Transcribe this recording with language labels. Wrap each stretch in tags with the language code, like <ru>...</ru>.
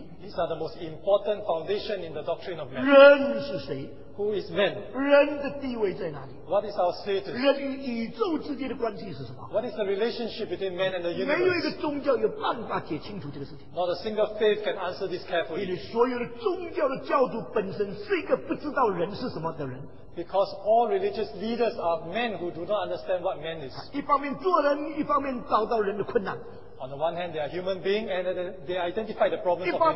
<en>These are the most important foundation in the doctrine of man.</en> <zh>人是谁?</zh> <en>Who is man?</en> <zh>人的地位在哪里?</zh> <en>What is our status?</en> <zh>人与宇宙之间的关系是什么?</zh> <en>What is the relationship between man and the universe?</en> <zh>没有一个宗教有办法解清楚这个事情。</zh> <en>Not a single faith can answer this carefully.</en> <zh>因为所有的宗教的教主本身是一个不知道人是什么的人。</zh> <en>Because all religious leaders are men who do not understand what man is.</en> <zh>一方面做人，一方面找到人的困难。</zh> <en>On the one hand, they are human beings and they identify the problems of</en>